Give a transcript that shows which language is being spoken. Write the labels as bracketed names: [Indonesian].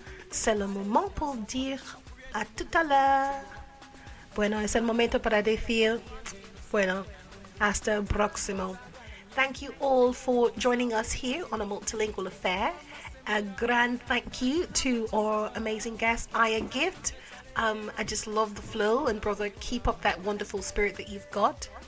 [French] C'est le moment pour dire à tout à l'heure. [Spanish] Bueno, es el momento para decir bueno, hasta el próximo. [English] Thank you all for joining us here on A Multilingual Affair. A grand thank you to our amazing guest, Aya Gift. I just love the flow, and brother, keep up that wonderful spirit that you've got.